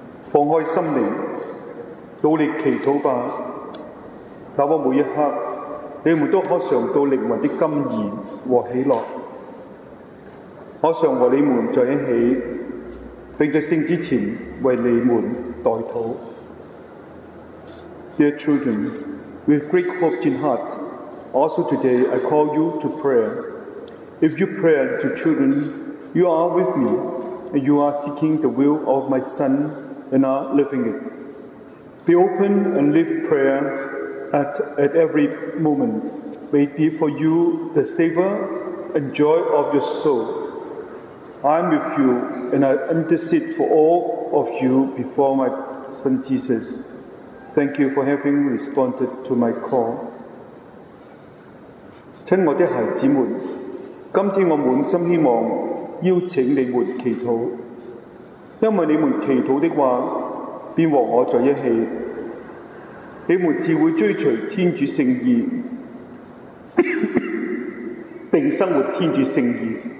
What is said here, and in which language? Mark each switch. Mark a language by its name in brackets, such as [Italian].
[Chinese] 放開心靈，努力祈禱吧，那麼每一刻你們都可嘗到靈魂的甘甜和喜樂。我常和你們在一起，並在聖旨前為你們代禱。 [English] Dear children, with great hope in heart, also today I call you to prayer. If you pray to children, you are with me, and you are seeking the will of my Son and are living it. Be open and live prayer at every moment. May it be for you the savor and joy of your soul. I am with you, and I intercede for all of you before my Son Jesus. Thank you for having responded to my call. [Chinese] 亲爱的孩子们，今天我满心希望邀请你们祈祷，因为你们祈祷的话，便和我在一起，你们自会追随天主圣意，并生活天主圣意。